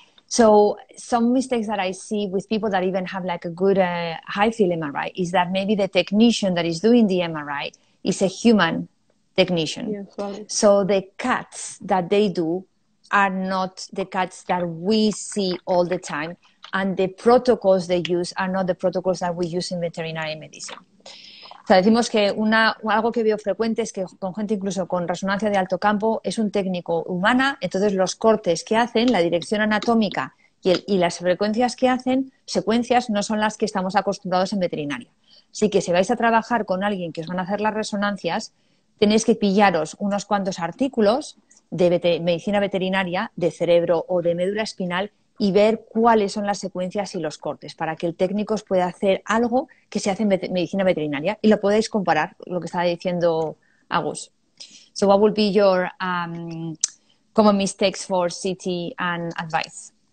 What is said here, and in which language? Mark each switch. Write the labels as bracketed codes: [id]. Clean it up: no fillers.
[en] So some mistakes that I see with people that even have like a good high field MRI is that maybe the technician that is doing the MRI is a human technician. Usually. So the CATs that they do are not the CATs that we see all the time, and the protocols they use are not the protocols that we use in veterinary medicine. [es] O sea, decimos que algo que veo frecuente es que con gente incluso con resonancia de alto campo es un técnico humana, entonces los cortes que hacen, la dirección anatómica y las frecuencias que hacen, secuencias, no son las que estamos acostumbrados en veterinaria. Así que si vais a trabajar con alguien que os van a hacer las resonancias, tenéis que pillaros unos cuantos artículos de medicina veterinaria, de cerebro o de médula espinal y ver cuáles son las secuencias y los cortes para que el técnico os pueda hacer algo que se hace en medicina veterinaria y lo podáis comparar, lo que estaba diciendo Agus. [en] So what would be your common mistakes for CT and advice?